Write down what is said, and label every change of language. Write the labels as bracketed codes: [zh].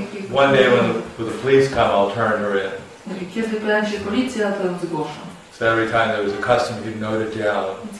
[en] One day when the police come, I'll turn her in. [pl] Kiedy będzie policja, to ją zgłoszę. [en] So every time there was a customer, he'd note it down.